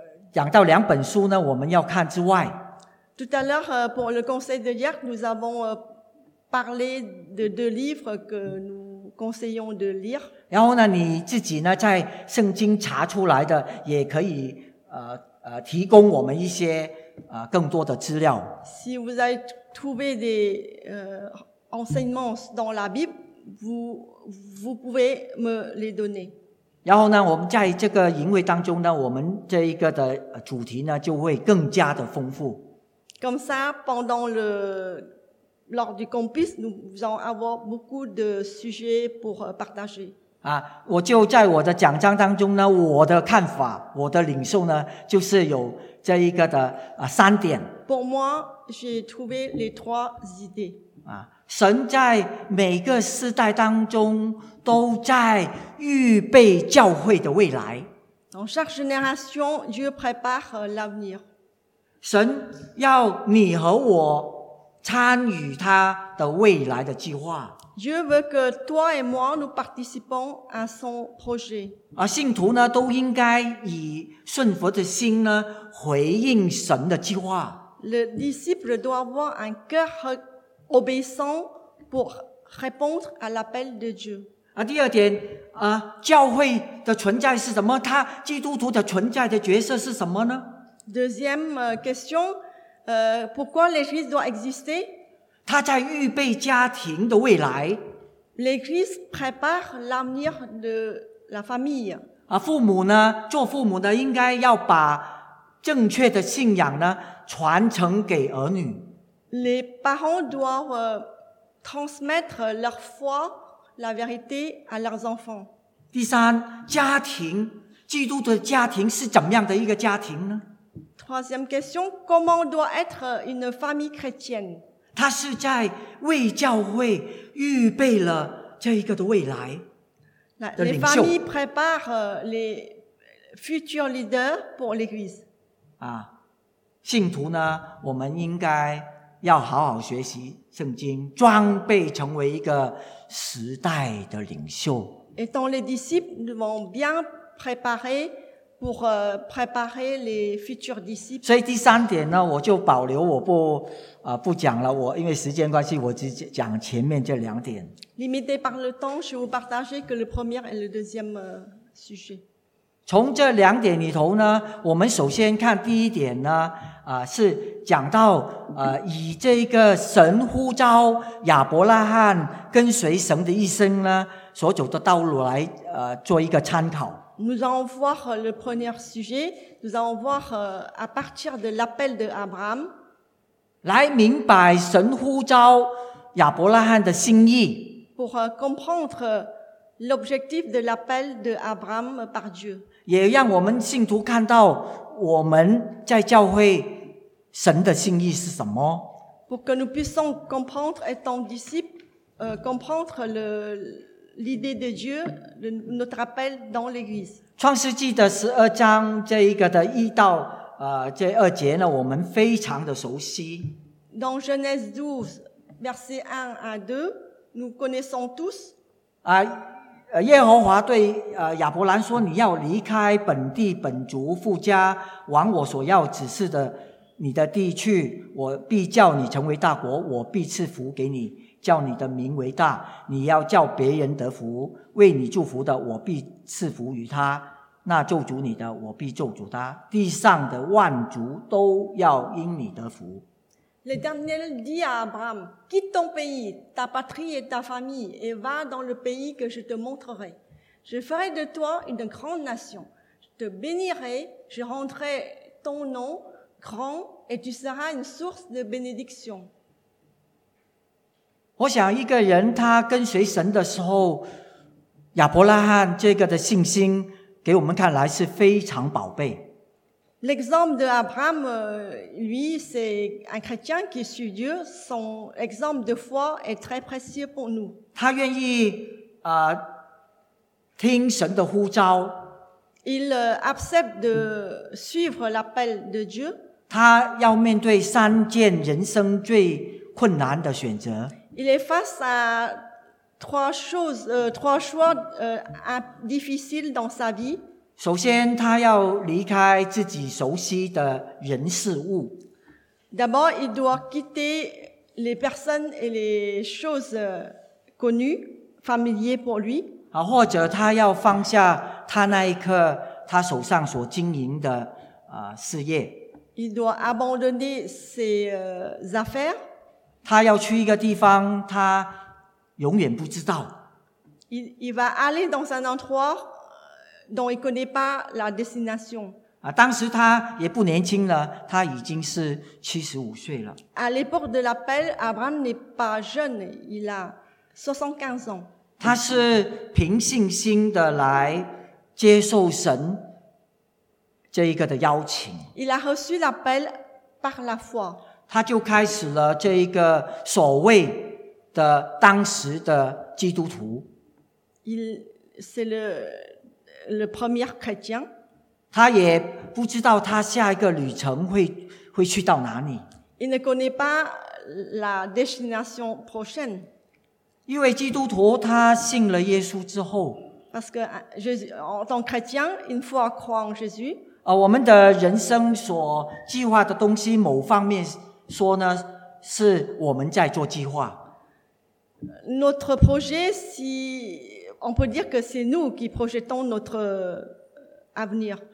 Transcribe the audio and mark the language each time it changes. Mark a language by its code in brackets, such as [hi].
[zh] 讲到两本书呢，我们要看之外。 [fr] Tout à l'heure, pour le conseil de hier, nous avons parlé de deux livres que nous conseillons de lire. [zh] 然后呢，你自己呢，在圣经查出来的，也可以提供我们一些更多的资料。 [fr] Si vous avez trouvé des enseignements dans la Bible, vous pouvez me les donner. [zh] 然后呢，我们在这个营会当中呢，我们这一个的主题呢就会更加的丰富。 [fr] Comme ça, pendant le lors du campus, nous allons avoir beaucoup de sujets pour partager. [zh] 啊，我就在我的讲章当中呢，我的看法，我的领受呢，就是有这一个的三点。 [fr] Pour moi, j'ai trouvé les trois idées. 啊。 [zh] 神在每个世代当中都在预备教会的未来。 [fr] En chaque génération, Dieu prépare l'avenir. [zh] 神要你和我参与他的未来的计划。 [fr] Dieu veut que toi et moi nous participons à son projet. [zh] 而信徒呢，都应该以顺服的心呢，回应神的计划。 [fr] Le disciple doit avoir un cœur obéissant pour répondre à l'appel de Dieu. [zh] 啊，第二点啊，教会的存在是什么？他基督徒的存在的角色是什么呢 [fr] ？Deuxième question, pourquoi l'Église doit exister？ [zh] 他在预备家庭的未来。 [fr] L'Église prépare l'avenir de la famille. [zh] 啊，父母呢？做父母的应该要把正确的信仰呢传承给儿女。 [fr] Les parents doivent transmettre leur foi, la vérité à leurs enfants. [zh] 第三，家庭，基督的家庭是怎么样的一个家庭呢 [fr] ？Troisième question, comment doit être une famille chrétienne？ [zh] 他是在为教会预备了这一个的未来的领袖。 [fr] Les familles préparent les futurs leaders pour l'Église. [zh] 啊，信徒呢，我们应该要好好学习圣经，装备成为一个时代的领袖。 [fr] Étant les disciples, nous devons bien préparer pour préparer les futurs disciples. [zh] 所以第三点呢，我就保留，我不不讲了。我因为时间关系，我只讲前面这两点。 [fr] Limité par le temps, je vous partage que le premier et le deuxième sujet. [zh] 从这两点里头呢，我们首先看第一点呢。是讲到以这个神呼召亚伯拉罕跟随神的一生呢所走的道路来做一个参考。 [fr] Nous allons voir le premier sujet, nous allons voir à partir de l'appel de Abraham. [zh] 来明白神呼召亚伯拉罕的心意。 [fr] Pour comprendre l'objectif de l'appel de Abraham par Dieu. [zh] 也让我们信徒看到我们在教会神的心意是什么 [fr] ？Pour que nous puissions comprendre étant disciple, comprendre l'idée de Dieu, notre appel dans l'Église. [zh] 创世纪的十二章这一个的一到这二节呢，我们非常的熟悉。 [fr] Dans Genèse 12, versets 1 à 2, nous connaissons tous. [zh] 耶和华对亚伯兰说：“你要离开本地本族父家，往我所要指示的你的地去。我必叫你成为大国，我必赐福给你，叫你的名为大。你要叫别人得福，为你祝福的，我必赐福于他；那咒诅你的，我必咒诅他。地上的万族都要因你得福。” [fr] Le dernier dit à Abraham, quitte ton pays, ta patrie et ta famille, et va dans le pays que je te montrerai. Je ferai de toi une grande nation. Je te bénirai, je rendrai ton nom grand, et tu seras une source de bénédiction. [zh] 我想一个人他跟随神的时候，亚伯拉罕这个的信心给我们看来是非常宝贝。 [fr] L'exemple d'Abraham, lui, c'est un chrétien qui suit Dieu. Son exemple de foi est très précieux pour nous. [zh] 他愿意听神的呼召。 [fr] Il accepte de suivre l'appel de Dieu. [zh] 他要面对三件人生最困难的选择。 [fr] Il est face à trois choses, trois choix difficiles dans sa vie. [zh] 首先他要离开自己熟悉的人事物。 [fr] D'abord, il doit quitter les personnes et les choses connues, familières pour lui. [zh] 或者他要放下他那一刻他手上所经营的事业。 [fr] Il doit abandonner ses affaires. [zh] 他要去一个地方他永远不知道。 [fr] Il va aller dans un endroit dont il connaît pas la destination. [zh] 当时他也不年轻了，他已经是75岁了。 [fr] À l'époque de l'appel, Abraham n'est pas jeune, il a 75 ans. [zh] 他是凭信心的来接受神这一个的邀请。 [fr] Il a reçu l'appel par la foi. [zh] 他就开始了这一个所谓的当时的基督徒。 [fr] Il, c'est le premier chrétien. [zh] 他也不知道他下一个旅程会去到哪里。 [fr] Il ne connaît pas la destination prochaine. [zh] 因为基督徒他信了耶稣之后。 [fr] Parce que Jésus, en tant que chrétien, une fois croit en Jésus. [zh] 我们的人生所计划的东西，某方面说呢，是我们在做计划。 [fr] Notre projet, si on peut dire que c'est nous qui projetons notre avenir.